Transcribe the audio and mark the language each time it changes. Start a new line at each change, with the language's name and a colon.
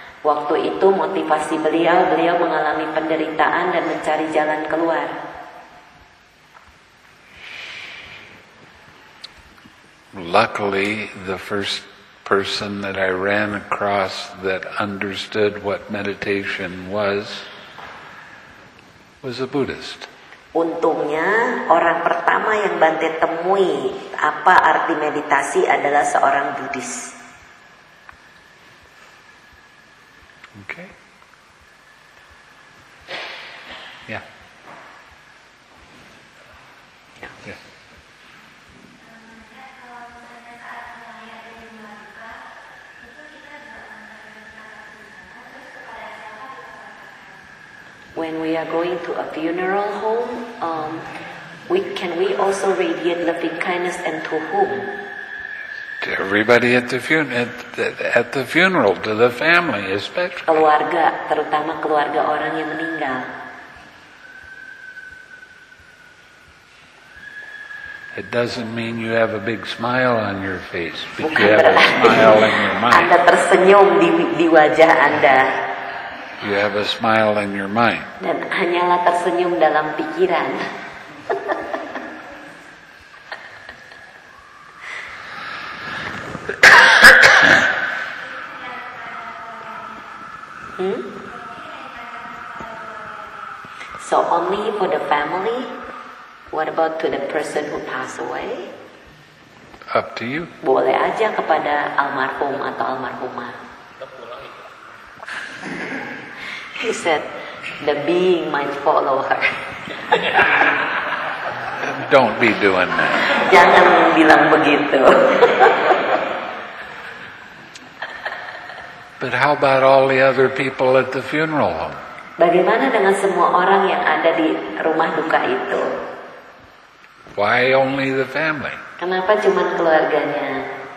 Indonesian: Waktu itu motivasi beliau mengalami penderitaan dan mencari jalan keluar.
English: Luckily, the first person that I ran across that understood what meditation was a Buddhist.
Indonesian: Untungnya orang pertama yang Bante temui apa arti meditasi adalah seorang Buddhis.
English: Okay. Yeah. When we are going to a funeral home, can we also radiate loving kindness and to whom? To everybody at the funeral, to the family especially.
Indonesian: Keluarga, terutama keluarga orang yang meninggal.
English: It doesn't mean you have a big smile on your face, but you have a smile in your mind.
Indonesian: Anda tersenyum di wajah Anda.
English: You have a smile in your mind.
Indonesian: Dan hanyalah tersenyum dalam pikiran.
English: So only for the family? What about to the person who passed away? Up to you.
Indonesian: Boleh aja kepada almarhum atau almarhumah.
English: He said, the being might follow her. Don't be doing that.
Indonesian: Jangan bilang begitu.
English: But how about all the other people at the funeral home?
Indonesian: Bagaimana dengan semua orang yang ada di rumah duka itu?
English: Why only the family?
Indonesian: Kenapa cuma keluarganya?